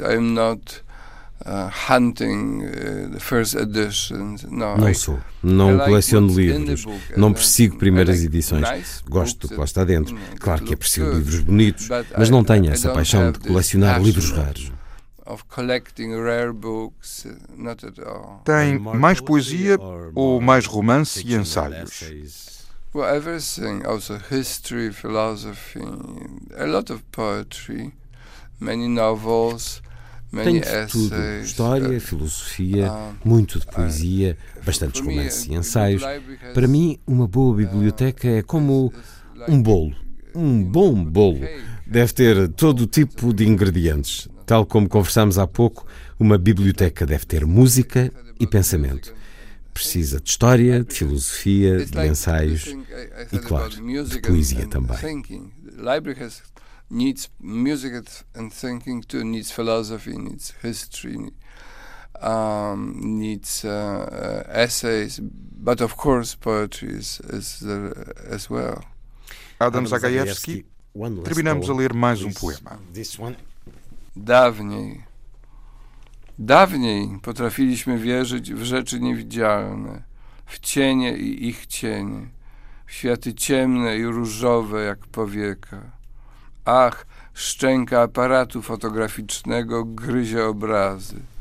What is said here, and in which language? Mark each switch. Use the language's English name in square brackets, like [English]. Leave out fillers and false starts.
[English] I'm not hunting the first editions. [Portuguese] Não sou. Não coleciono livros. Não persigo primeiras edições. Gosto do que lá está dentro. Claro que aprecio livros bonitos, mas não tenho essa paixão de colecionar livros raros. [English] Of collecting rare books, not at all. [Portuguese] Tem mais poesia ou mais romance e ensaios? [English] Well, everything, also history, philosophy, a lot of poetry, many novels, many [Portuguese] tenho [English] essays. [Portuguese] Tenho tudo, história, filosofia, muito de poesia, bastantes romances e ensaios. Para mim, uma boa biblioteca é como um bolo, um bom bolo. Deve ter todo tipo de ingredientes. Tal como conversámos há pouco, uma biblioteca deve ter música e pensamento. Precisa de história, de filosofia, de ensaios e, claro, de poesia também. [English] Library has needs music and thinking too, needs philosophy, needs history, needs essays, but of course poetry is there as well. [Portuguese] Adam Zagajewski, terminamos a ler mais um poema. [Polish] Dawniej. Dawniej potrafiliśmy wierzyć w rzeczy niewidzialne, w cienie i ich cienie, w światy ciemne i różowe jak powieka. Ach, szczęka aparatu fotograficznego gryzie obrazy.